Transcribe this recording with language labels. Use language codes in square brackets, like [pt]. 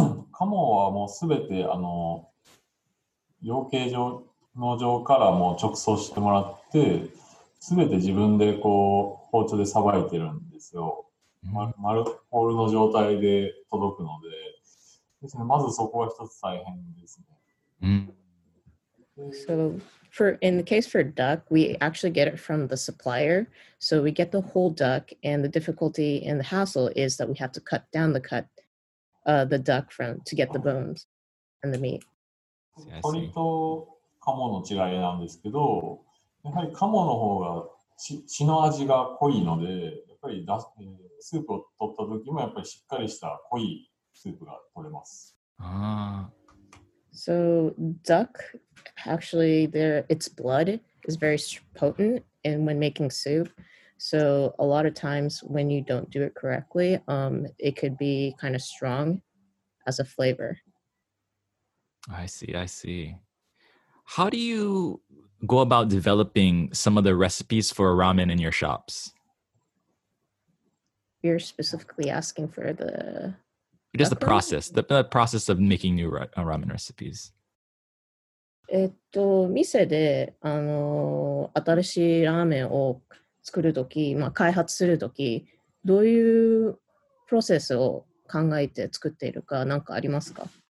[ja] 鴨はもうすべてあの養鶏場の場からもう直送してもらって、すべて自分でこう包丁でさばいてるんですよ。丸ホールの状態で届くので。ですね、まずそこは一つ大変ですね。 [en] So, in the case for duck, we actually get it from the supplier. So we get the whole duck, and the difficulty and the hassle is that we have to cut down the cut, the duck from to get the bones and the meat. [ja] 鶏と鴨の違いなんですけど、やはり鴨の方が血の味が濃いので、やっぱりスープを取った時もやっぱりしっかりした濃いスープが取れます。 [en] So duck, actually, its blood is very potent, and when making soup, so a lot of times when you don't do it correctly, it could be kind of strong as a flavor. I see. How do you go about developing some of the recipes for ramen in your shops? You're specifically asking for the... Just the process, the process of making new ramen recipes. [ja] 店で新しいラーメンを作るとき、まあ、開発するとき、どういうプロセスを考えて作っているか何かありますか？